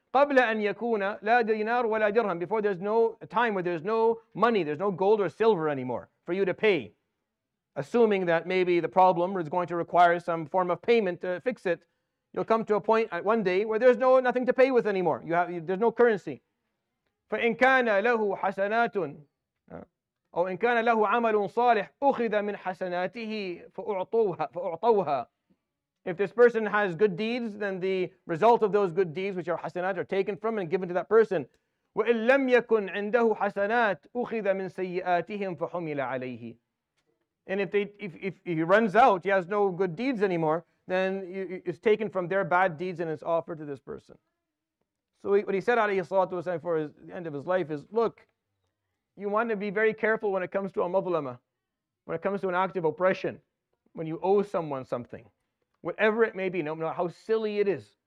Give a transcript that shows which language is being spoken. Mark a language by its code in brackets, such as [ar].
[ar] قَبْلَ أَن يَكُونَ لَا دِينَارُ وَلَا دِرْهَمْ. [en] Before there's no time where there's no money, there's no gold or silver anymore for you to pay. Assuming that maybe the problem is going to require some form of payment to fix it, you'll come to a point one day where there's nothing to pay with anymore. There's no currency. [ar] فَإِن كَانَ لَهُ حَسَنَاتٌ أو إن كان له عمل صالح أخذ من حسناته فأعطوها. [en] If this person has good deeds, then the result of those good deeds, which are حسنات, are taken from and given to that person. [ar] وإن لم يكن عنده حسنات أخذ من سيئاتهم فحمل عليه. [en] And if he runs out, he has no good deeds anymore, then it's taken from their bad deeds and it's offered to this person. So what he said [ar] عليه الصلاة والسلام [en] for the end of his life is, look, you want to be very careful when it comes to a mazlama, when it comes to an act of oppression, when you owe someone something, whatever it may be, no matter how silly it is.